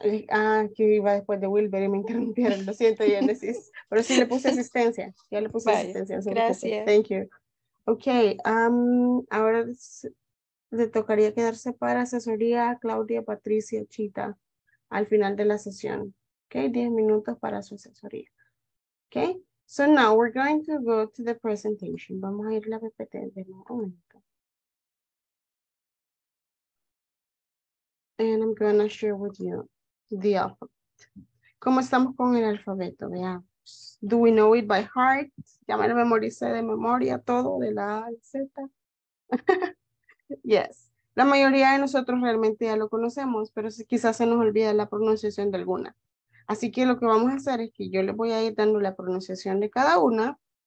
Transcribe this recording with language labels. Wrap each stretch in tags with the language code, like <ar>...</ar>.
<es>Ah, que iba después de Wilber y me interrumpieron. Lo siento, Genesis. Pero sí le puse asistencia. Ya le puse asistencia. Gracias. Preocupen.</es> <en>Thank you.</en> <es>Ok, ahora le tocaría quedarse para asesoría a Claudia Patricia Chita al final de la sesión. Ok, 10 minutos para su asesoría.</es> <en>Ok, so now we're going to go to the presentation.</en> <es>Vamos a ir a la PPT de un momento.</es> <en>And I'm going to share with you the alphabet.</en> <es>¿Cómo estamos con el alfabeto? Veamos.</es> <en>Do we know it by heart?</en> <es>¿Ya me lo memoricé de memoria todo de la A a la Z? Yes. La mayoría de nosotros realmente ya lo conocemos, pero quizás se nos olvida la pronunciación de alguna. Así que lo que vamos a hacer es que yo les voy a ir dando la pronunciación de cada una.</es>